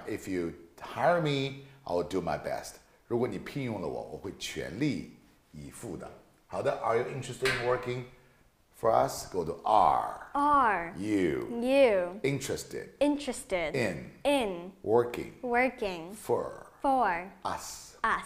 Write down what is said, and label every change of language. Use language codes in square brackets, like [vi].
[en] If you hire me, I'll do my best. [zh] 如果你聘用了我，我会全力以赴的。 [en] 好的，Are you interested in working for us? Go to Are you interested in working for us?